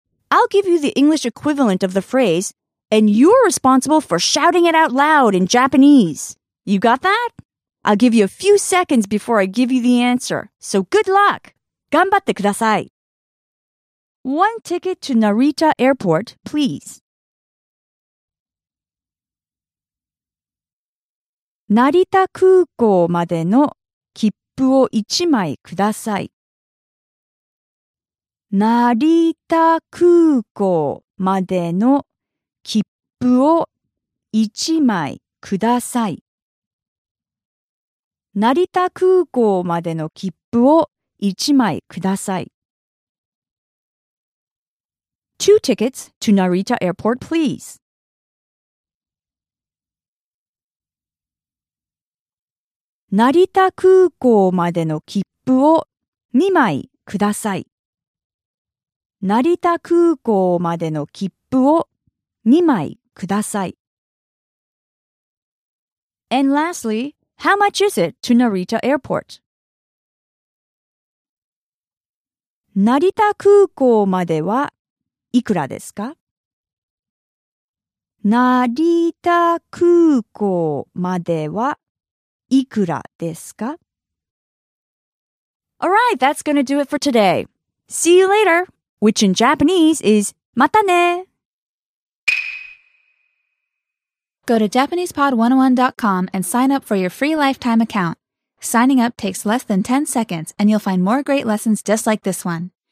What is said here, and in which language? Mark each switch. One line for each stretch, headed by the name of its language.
English: I'll give you the English equivalent of the phrase, and you're responsible for shouting it out loud in Japanese. You got that? I'll give you a few seconds before I give you the answer, so good luck!
Japanese: 頑張ってください!
English: One ticket to Narita Airport, please.
Japanese: Narita 空港までの切符を一枚ください。成田空港までの切符を一枚ください。成田空港までの切符を一枚ください。
English: Two tickets to Narita Airport, please.
Japanese: 成田空港までの切符を2枚ください。成田空港までの切符を2枚ください。
English: And lastly, how much is it to Narita Airport?
Japanese: 成田空港まではいくらですか？成田空港まではいくらですか？
English: All right, that's going to do it for today. See you later! Which in Japanese is
Japanese: またね!
English: Go to JapanesePod101.com and sign up for your free lifetime account. Signing up takes less than 10 seconds and you'll find more great lessons just like this one.